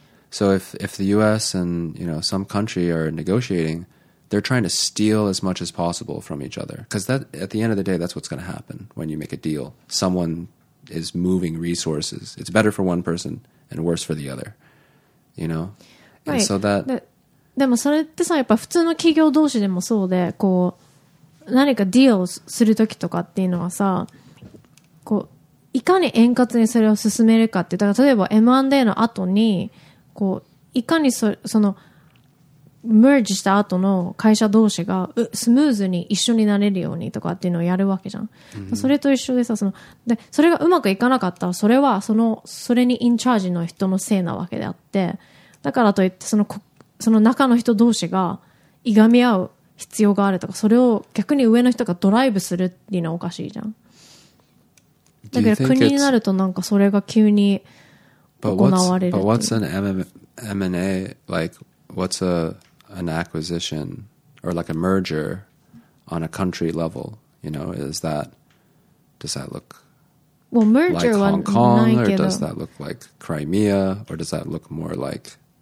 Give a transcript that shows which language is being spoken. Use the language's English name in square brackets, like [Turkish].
[English] So if the U.S. and, you know, some country are negotiating, they're trying to steal as much as possible from each other. Because that, at the end of the day, that's what's going to happen when you make a deal. Someone is moving resources. It's better for one person and worse for the other. You know? Right. And so that... [Japanese] でもそれってさ、やっぱ普通の企業同士でもそうで、こう、何かディールをするときとかっていうのはさ、こう、いかに円滑にそれを進めるかって、だから例えば M&A の後に、こう、いかにその、メージした後の会社同士がスムーズに一緒になれるようにとかっていうのをやるわけじゃん。 Mm-hmm. それと一緒でさ、その、で、それがうまくいかなかったら、それはその、それにインチャージの人のせいなわけであって、だからといってその、その中の人同士がいがみ合う必要があるとか、それを逆に上の人がドライブするっていうのはおかしいじゃん。だけど国になるとなんかそれが急に行われる。 [English] But what's an M&A, like what's an acquisition or like a merger on a country level, you know, is that, does that look well, merger like Hong Kong or does that look like Crimea or does that look more like...